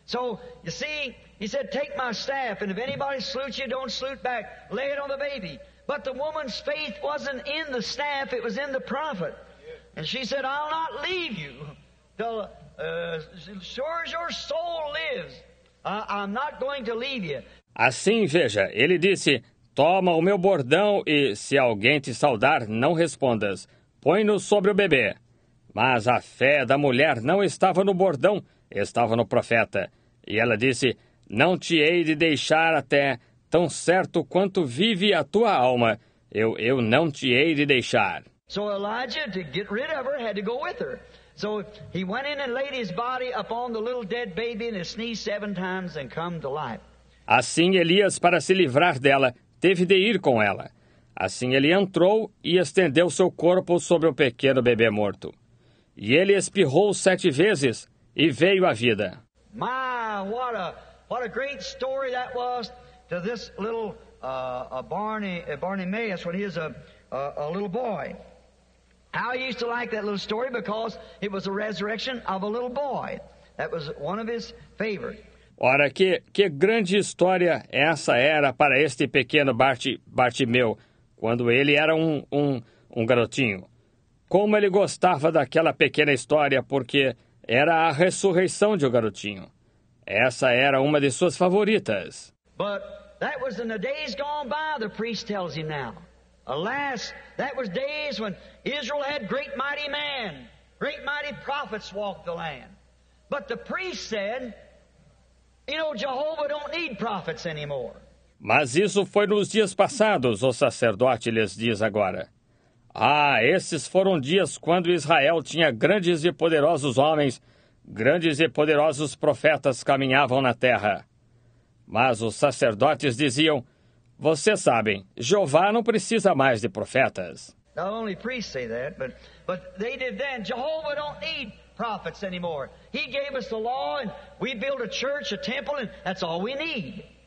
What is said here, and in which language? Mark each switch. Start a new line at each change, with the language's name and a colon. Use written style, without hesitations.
English: So, you see, he said, take my staff, and if anybody salutes you, don't salute back. Lay it on the baby. But the woman's faith wasn't in the staff, it was in the prophet. And she said, I'll not leave you till sure as your soul lives. I'm not going to leave you.
Portuguese: Assim, veja, ele disse, toma o meu bordão e se alguém te saudar, não respondas. Põe-no sobre o bebê. Mas a fé da mulher não estava no bordão, estava no profeta. E ela disse, não te hei de deixar até, tão certo quanto vive a tua alma, eu não te hei de deixar.
English: So Elijah, to get rid of her, had to go with her. So he went in and laid his body upon the little dead baby and sneezed 7 times and come to life.
Portuguese: Assim Elias, para se livrar dela, teve de ir com ela. Assim ele entrou e estendeu seu corpo sobre o pequeno bebê morto. E ele espirrou 7 vezes e veio à vida.
English: My, what a great story that was to this little Barnabas when he was a little boy. How he used to like that little story because it was a resurrection of a little boy. That was one of his favorites.
Portuguese: Ora, que grande história essa era para este pequeno Bartimeu, quando ele era um garotinho. Como ele gostava daquela pequena história, porque era a ressurreição de um garotinho. Essa era uma de suas favoritas.
English: But that was in the days gone by, the priest tells him now. Alas, that was days when Israel had great mighty man, Great mighty prophets walked the land. But the priest said, you know, Jehovah don't need prophets anymore.
Portuguese: Mas isso foi nos dias passados, o sacerdote lhes diz agora. Ah, esses foram dias quando Israel tinha grandes e poderosos homens, grandes e poderosos profetas caminhavam na terra. Mas os sacerdotes diziam, vocês sabem, Jeová não precisa mais de profetas.
English: Not only priests say that, but they did then. Jehovah don't need prophets anymore. He gave us the law and we built a church, a temple, and that's all we need.